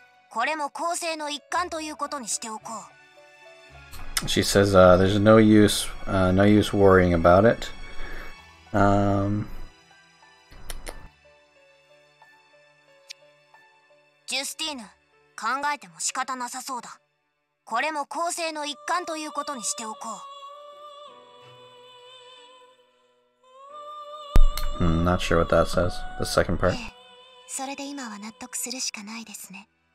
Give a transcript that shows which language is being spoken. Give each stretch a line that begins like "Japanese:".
Japanese: これも構成の一環ということにしておこう。
English: She says, there's no use worrying about it.
Japanese: ジュスティーヌ、考えても仕方なさそうだ。これも構成の一環ということにしておこう。
English: Not sure what that says, the second part.
Japanese: それで今は納得するしかないですね。